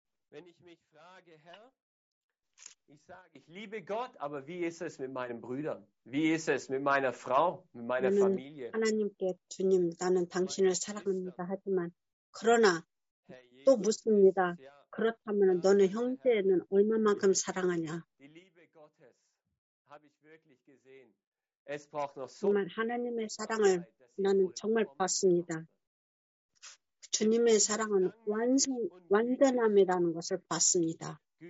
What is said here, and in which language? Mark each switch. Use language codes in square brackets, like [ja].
[de] Wenn ich mich frage, Herr, ich sage, ich liebe Gott, aber wie ist es mit meinen Brüdern? Wie ist es mit meiner Frau, mit meiner Familie? [ko] 하나님께 주님, 나는 당신을 사랑합니다. 하지만 그러나 또 묻습니다. 그렇다면 너는 형제는 얼마만큼 사랑하냐? [de] Die Liebe Gottes habe ich wirklich gesehen. Es braucht noch so. [ko] 하나님의 사랑을 나는 정말 봤습니다. 주님의 사랑은 완전함이라는 것을 봤습니다.